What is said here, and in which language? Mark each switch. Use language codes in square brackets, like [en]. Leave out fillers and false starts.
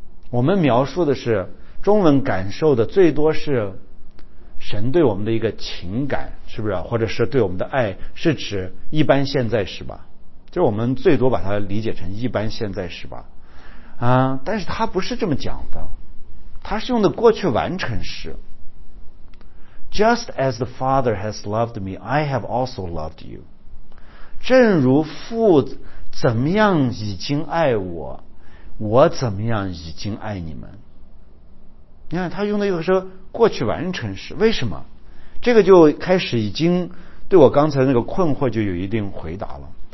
[zh] 我们描述的是中文感受的最多是神对我们的一个情感，是不是或者是对我们的爱，是指一般现在时吧，就是我们最多把它理解成一般现在时吧啊，但是他不是这么讲的，他是用的过去完成时。 [en] Just as the Father has loved me, I have also loved you. [zh] 正如父怎么样已经爱我，我怎么样已经爱你们。你看他用的一个说过去完成时，为什么？这个就开始已经对我刚才那个困惑就有一定回答了。